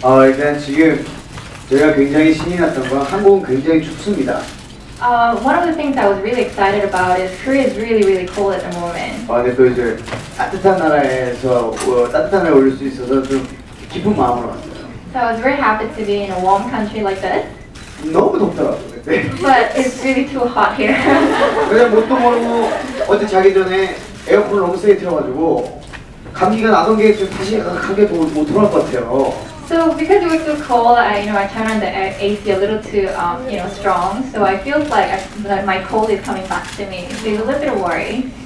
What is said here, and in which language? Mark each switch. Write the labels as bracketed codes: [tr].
[ko] 일단 지금 제가 굉장히 신이 났던 건 한국은 굉장히 춥습니다. [en] One of the things I was really excited about is Korea is really, really cold at the moment. [ko] 근데 또 이제 따뜻한 나라에서 따뜻한 날 올릴 수 있어서 좀 기쁜 마음으로 왔어요. [en] So I was very happy to be in a warm country like this. [ko] 너무 덥더라고요. [en] But it's really too hot here. [ko] 그냥 뭣도 모르고 어제 자기 전에 에어컨을 너무 세게 틀어가지고 감기가 나던 게 좀 다시 감기 또 못 돌아올 것 같아요. [en] So because it was too cold, I turned on the AC a little too strong. So I feel like my cold is coming back to me. So it's a little bit of worry.